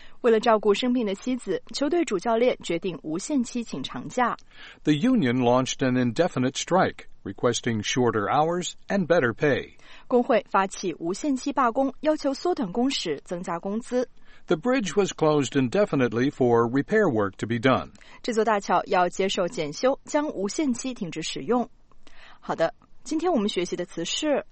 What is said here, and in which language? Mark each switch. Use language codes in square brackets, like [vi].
[zh] 为了照顾生病的妻子，球队主教练决定无限期请长假。 [en] The union launched an indefinite strike, requesting shorter hours and better pay. [zh] 工会发起无限期罢工，要求缩短工时，增加工资。 [en] The bridge was closed indefinitely for repair work to be done. [zh] 这座大桥要接受检修，将无限期停止使用。好的，今天我们学习的词是